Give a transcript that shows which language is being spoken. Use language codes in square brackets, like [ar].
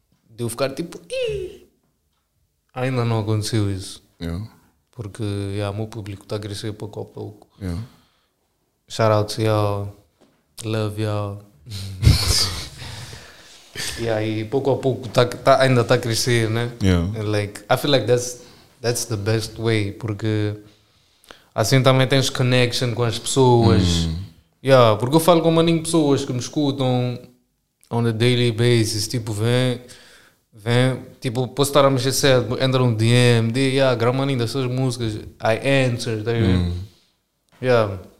[pt] De eu ficar tipo, ainda não aconteceu isso. [en] Yeah. [pt] Porque o meu público está a crescer pouco a pouco. [en] Yeah. Shout out to y'all. Love y'all. [pt] E aí, pouco a pouco, ainda está a crescer, né? [en] Yeah. Like, I feel like that's the best way. [pt] Porque assim também tens connection com as pessoas. Yeah, porque eu falo com um maninho de pessoas que me escutam [en] on a daily basis. [pt] Tipo, vem, tipo, posso estar a mexer cedo, entra um DM, diz, yeah, gramaninho das suas músicas, [en] I answer, [pt] tá vendo? Yeah.